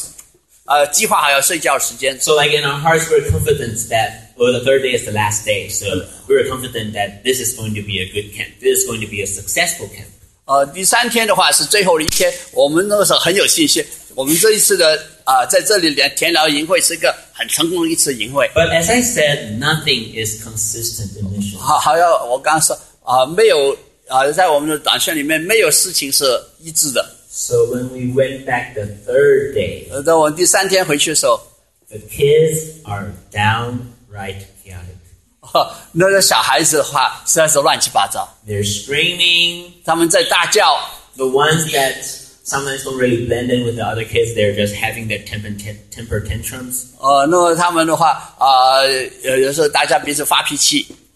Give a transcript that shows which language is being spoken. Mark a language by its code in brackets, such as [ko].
[zh] 甚至超越了我们应该要睡觉的计划，还要睡觉时间。 [en] So like in our hearts, we're confident that well, the third day is the last day, so we were confident that this is going to be a good camp. This is going to be a successful camp. [zh] 第三天的话是最后的一天，我们那个时候很有信心。我们这一次的在这里连田寮营会是一个很成功的一次营会。 [en] But as I said, nothing is consistent in mission. [zh] 好像我刚刚说，没有在我们的短宣里面没有事情是一致的。 [en] So when we went back the third day, [zh] 在我们第三天回去的时候， [en] the kids are down. Right, chaotic. They're screaming. The ones that sometimes don't really blend in with the other kids. They're just having their temper tantrums. [zh] 那他们的话，有时候大家彼此发脾气。